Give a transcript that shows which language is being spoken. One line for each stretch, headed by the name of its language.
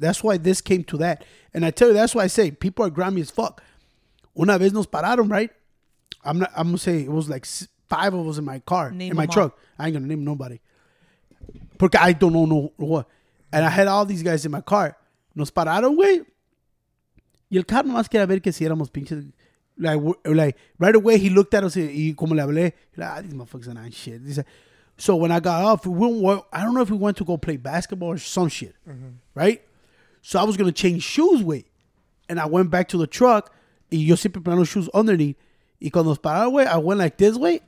English: That's why this came to that. And I tell you, that's why I say people are grimy as fuck.
Spanish: Una vez nos pararon,
English: right? I'm gonna say it was like five of us in my car, name in my truck. All. I ain't gonna name nobody. Porque I don't know what. And I had all these guys in my car.
Spanish: Nos pararon, güey. Y el carro más quería ver que si éramos pinches.
English: Like right away, he looked at us
Spanish: y como le hablé.
English: Like, ah, these motherfuckers are not shit. He said, so when I got off, I don't know if we went to go play basketball or some shit. Mm-hmm. Right? So I was gonna change shoes, güey. And I went back to the truck.
Spanish: Y yo siempre planeo
English: shoes underneath.
Spanish: Y cuando nos pararon, güey,
English: I went like this,
Spanish: güey.